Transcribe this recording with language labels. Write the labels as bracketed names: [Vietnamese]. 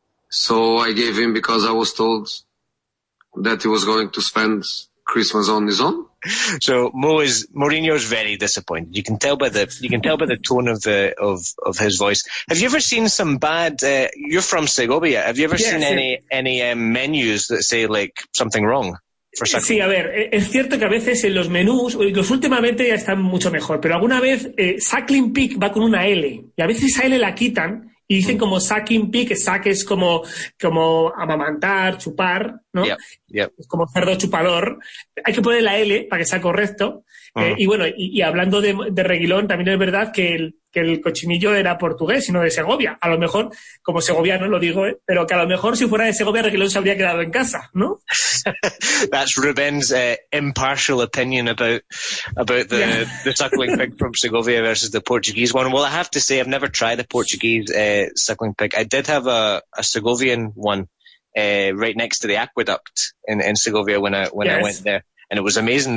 [English] So I gave him because I was told that he was going to spend Christmas on his own. So Mourinho is very disappointed. You can tell by the tone of his voice. Have you ever seen some bad? You're from Segovia. Have you ever seen any menus that say like something wrong? [Spanish] Sí, a ver, es cierto que a veces en los menús, los últimamente ya están mucho mejor, pero alguna vez Suckling Pig va con una L y a veces esa L la quitan y dicen como Sucking Pig, Suck es como amamantar, chupar, ¿no? [English] Yep. [Spanish] Como cerdo chupador. Hay que poner la L para que sea correcto. Y bueno, y hablando de Reguilón, también es verdad que el cochinillo era portugués y no de Segovia. A lo mejor, como segoviano lo digo, ¿eh? Pero que a lo mejor si fuera de Segovia, Reguilón se habría quedado en casa, ¿no? [English] That's Ruben's impartial opinion about the, yeah. The suckling pig from Segovia versus the Portuguese one. Well, I have to say, I've never tried a Portuguese suckling pig. I did have a Segovian one right next to the aqueduct in Segovia when I went there. And it was amazing.